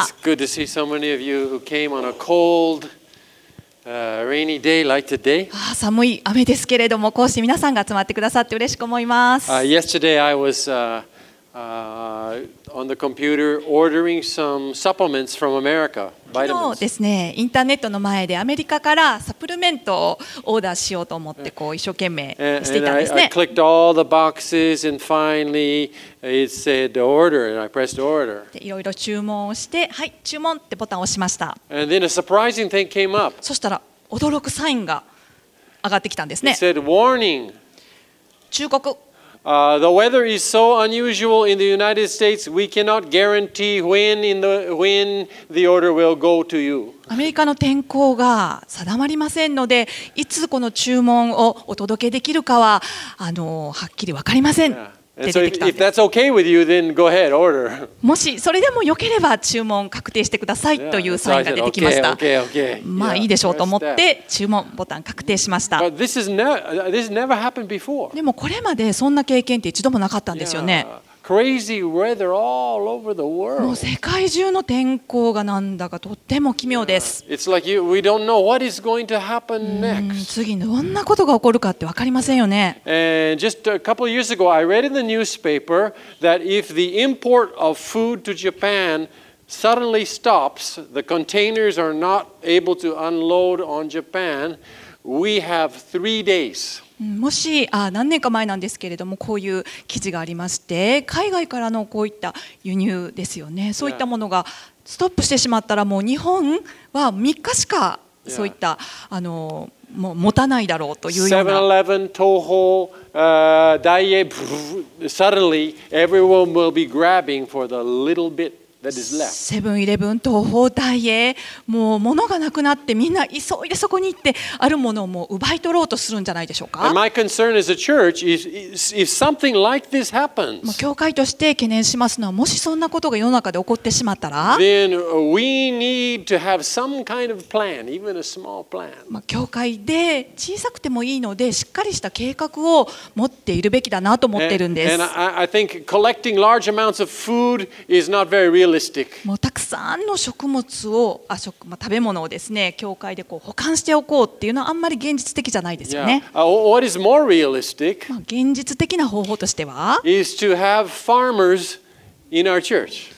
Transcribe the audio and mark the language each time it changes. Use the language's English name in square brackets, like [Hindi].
[English] It's good to see so many of you who came on a cold, rainy day like today. [Japanese] 寒い雨ですけれども、こうして皆さんが集まってくださって嬉しく思います。 [English] Yesterday I was on the computer ordering some supplements from America. [Japanese] 昨日ですね、インターネットの前でアメリカからサプリメントをオーダーしようと思ってこう一生懸命していたんですね。 [English] I clicked all the boxes and finally it said order and I pressed order. [Japanese] いろいろ注文をして、はい、注文ってボタンを押しました。 [English] And then a surprising thing came up. [Japanese] そしたら驚くサインが上がってきたんですね。 [English] It said warning. [Japanese] 忠告。 [English] The weather is so unusual in the United States, we cannot guarantee when the order will go to you. [Japanese] アメリカの天候が定まりませんので、いつこの注文をお届けできるかは、はっきり分かりません。 [English] If that's okay with you, then go ahead, order. [Japanese] もしそれでも良ければ注文確定してくださいというサインが出てきました。まあいいでしょうと思って注文ボタン確定しました。でもこれまでそんな経験って一度もなかったんですよね。 [English] Crazy weather all over the world. [Japanese] もう世界中の天候がなんだかとっても奇妙です。 [English] It's like we don't know what is going to happen next. [Japanese] 次どんなことが起こるかって分かりませんよね。 [English] And just a couple of years ago, I read in the newspaper that if the import of food to Japan suddenly stops, the containers are not able to unload on Japan, we have 3 days. [Japanese] もし何年か前なんですけれども、こういう記事がありまして、海外からのこういった輸入ですよね、そういったものがストップしてしまったら、もう日本は3日しかそういったもう持たないだろうというような、 [English] 7-11 東宝ダイエー suddenly everyone will be grabbing for the little bit [Japanese] セブンイレブン東方ダイエー、もう物がなくなってみんな急いでそこに行ってあるものをもう奪い取ろうとするんじゃないでしょうか。 [English] My concern as a church is if something like this happens, [Japanese] もう教会として懸念しますのは、もしそんなことが世の中で起こってしまったら、 [English] then we need to have some kind of plan, even a small plan. [Japanese] 教会で小さくてもいいのでしっかりした計画を持っているべきだなと思っているんです。 [English] and I think collecting large amounts of food is not very real [Japanese] もうたくさんの食物を、食べ物をですね、教会でこう保管しておこうっていうのはあんまり現実的じゃないですよね。 [English] Yeah. What is more realistic? [Japanese] 現実的な方法としては、 [English] is to have farmers in our church.